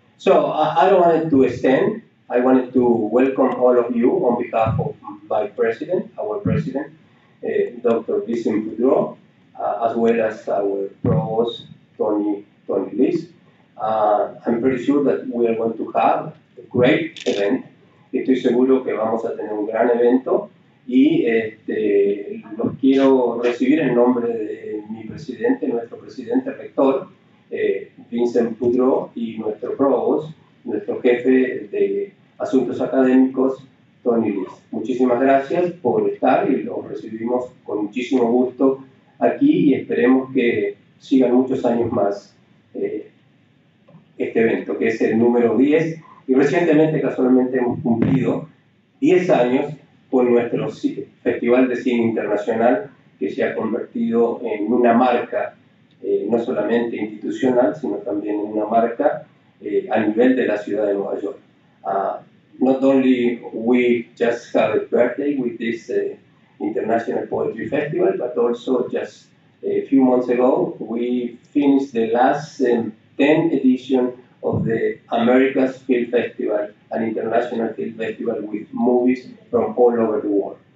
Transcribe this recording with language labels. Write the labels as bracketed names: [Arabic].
[English] So I don't want it to extend. I wanted to welcome all of you on behalf of my president, our president, Dr. Vincent Boudreau, as well as our provost, Tony Liz. I'm pretty sure that we are going to have a great event. [Spanish] Estoy seguro que vamos a tener un gran evento. Y los quiero recibir en nombre de mi presidente, nuestro presidente rector, Vincent Boudreau, y nuestro provost, nuestro jefe de asuntos académicos, Tony Liz. Muchísimas gracias por estar y lo recibimos con muchísimo gusto aquí y esperemos que sigan muchos años más este evento, que es el número 10. Y recientemente, casualmente, hemos cumplido 10 años con nuestro Festival de Cine Internacional, que se ha convertido en una marca, no solamente institucional, sino también en una marca a nivel de la ciudad de Nueva York. [English] Not only we just had a birthday with this International Poetry Festival, but also just a few months ago, we finished the last 10th edition of the America's Film Festival, an international film festival with movies from all over the world.